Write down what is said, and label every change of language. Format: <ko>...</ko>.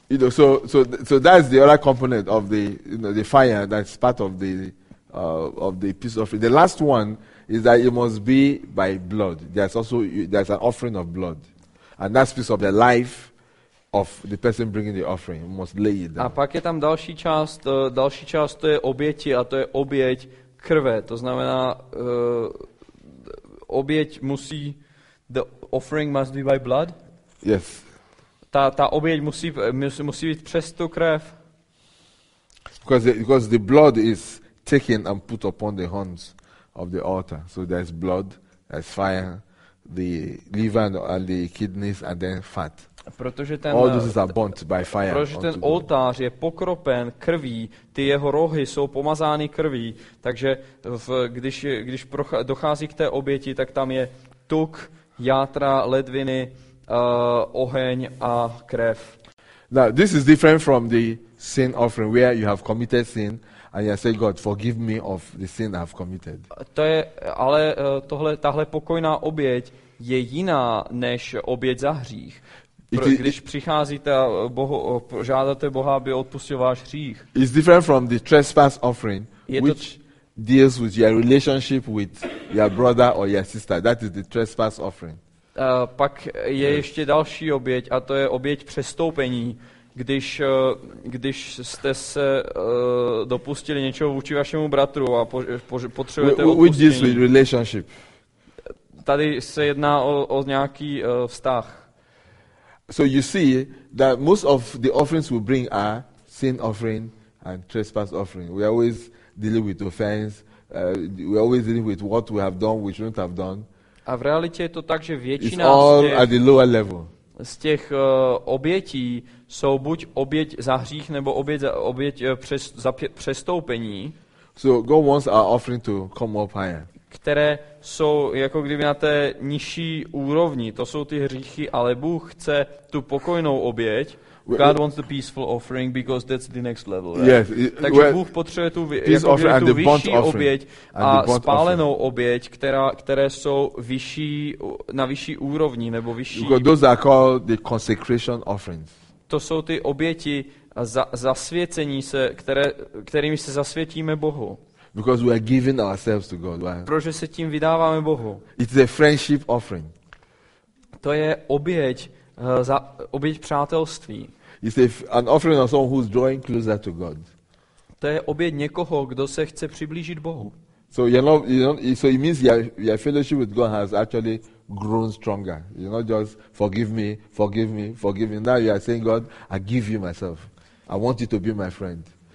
<en>So that's the other component of the the fire that's part of the piece of it. The last one is that it must be by blood. There's an offering of blood. And that speaks of the life of the person bringing the offering. You must lay it down.</en> <cs>A pak je tam další část, to je oběti, a to je oběť krve. To znamená, oběť musí,</cs> <en>the offering must be by blood? Yes.</en> <cs>Ta oběť musí být přes tu krev.</cs> <en>Because the blood is taken and put upon the horns of the altar. So there's blood, there's fire, the liver and the kidneys and then fat. All this is burnt by fire.</en> <cs>Protože ten oltář je pokropen krví, ty jeho rohy jsou pomazány krví, takže když dochází k té oběti, tak tam je tuk, játra, ledviny, oheň a krev.</cs> <en>Now, this is different from the sin offering where you have committed sin and you say, God, forgive me of the sin I've committed.</en> <cs>To je, ale tohle, tahle pokojná oběť je jiná než oběť za hřích. Když přicházíte Bohu, žádáte Boha, aby odpustil váš hřích.</cs> <en>It's different from the trespass offering, which deals with your relationship with your brother or your sister. That is the trespass offering.</en> <cs>Pak je ještě další oběť, a to je oběť přestoupení, když jste se dopustili něčeho vůči vašemu bratru a potřebujete odpustení.</cs> <en>Which deals with relationship.</en> <cs>Tady se jedná o nějaký vztah.</cs> <en>So you see that most of the offerings we bring are sin offering and trespass offering. We always deal with offense. We always deal with what we have done, which we don't have done.</en> <cs>A v realitě je to tak, že většina</cs> <en>it's all at the lower level.</en> <cs>Z těch obětí jsou buď oběť za hřích nebo oběť přestoupení.</cs> <en>So God wants our offering to come up higher.</en> <cs>Které jsou jako kdyby na té nižší úrovni, to jsou ty hříchy, ale Bůh chce tu pokojnou oběť.</cs> <en>God wants the peaceful offering because that's the next level. Right? Yes,</en> <cs>takže Bůh potřebuje tu vyšší</cs> <en>offering,</en> <cs>oběť a spálenou oběť, které jsou vyšší, na vyšší úrovni nebo vyšší.</cs> <en>Because those are called the consecration offerings.</en> <cs>To jsou ty oběti zasvěcení se, kterými se zasvětíme Bohu.</cs> <en>Because we are giving ourselves to God. Right?</en> <cs>Protože se tím vydáváme Bohu.</cs> <en>It's a friendship offering.</en> <cs>To je oběť za oběť přátelství.</cs> <en>It's an offering of someone who's drawing closer to God.</en> <cs>To je oběť někoho, kdo se chce přiblížit Bohu.</cs> <en>So you know, so it means your fellowship with God has actually grown stronger. You're not just forgive me. Now you are saying, God, I give you myself. I want you to be my friend.</en>